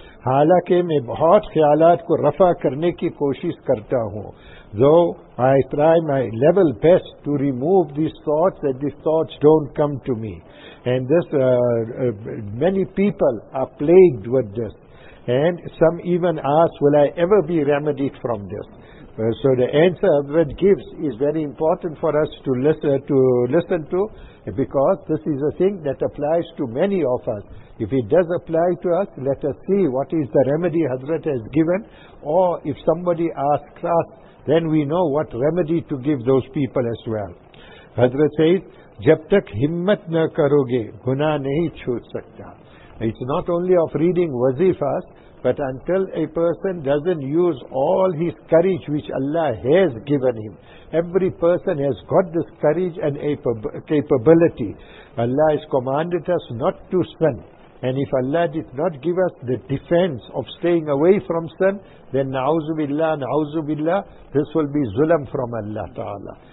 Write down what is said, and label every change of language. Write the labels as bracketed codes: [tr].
[ur] حالانکہ میں بہت خیالات کو رفع کرنے کی کوشش کرتا ہوں. [en] Though I try my level best to remove these thoughts, that these thoughts don't come to me. And this, many people are plagued with this. And some even ask, will I ever be remedied from this? So the answer that gives is very important for us to listen to, because this is a thing that applies to many of us. If it does apply to us, let us see what is the remedy Hazrat has given, or if somebody asks us, then we know what remedy to give those people as well. Hazrat says, [ur] جب تک ہمت نہ کرو گے گناہ نہیں چھوٹ سکتا. [en] It's not only of reading wazifas, but until a person doesn't use all his courage which Allah has given him. Every person has got this courage and a capability. Allah has commanded us not to sin. And if Allah did not give us the defense of staying away from sin, then na'uzubillah, this will be zulam from Allah Ta'ala.